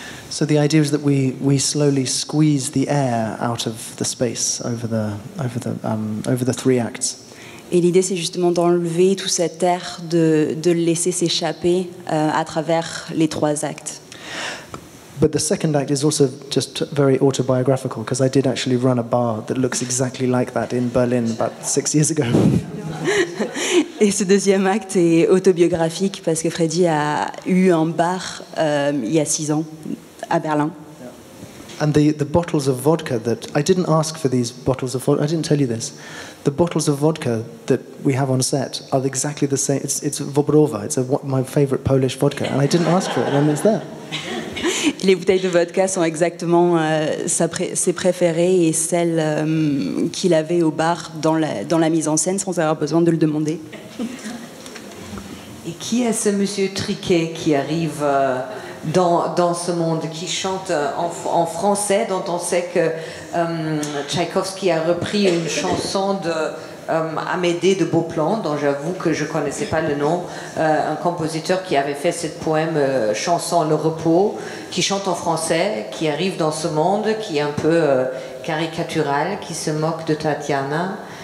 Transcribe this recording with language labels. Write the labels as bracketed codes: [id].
[en] So the idea is that we slowly squeeze the air out of the space over the three acts. [fr] Et l'idée, c'est justement d'enlever tout cet air, de le laisser s'échapper à travers les trois actes. [en] But the second act is also just very autobiographical, because I did actually run a bar that looks exactly like that in Berlin about 6 years ago. [fr] Et ce deuxième acte est autobiographique parce que Freddy a eu un bar il y a 6 ans à Berlin. [en] And the bottles of vodka that I didn't ask for these bottles of vodka. I didn't tell you this. The bottles of vodka that we have on set are exactly the same. It's Wobrowa. It's my favorite Polish vodka, and I didn't ask for it, and it's there. [fr] Les bouteilles de vodka sont exactement ses préférées et celles qu'il avait au bar dans la mise en scène sans avoir besoin de le demander. Et qui est ce monsieur Triquet qui arrive dans ce monde, qui chante en français, dont on sait que Tchaïkovski a repris une chanson de Amédée de Beauplan, dont j'avoue que je ne connaissais pas le nom, un compositeur qui avait fait ce poème chanson Le Repos, qui chante en français, qui arrive dans ce monde, qui est un peu caricatural, qui se moque de Tatiana.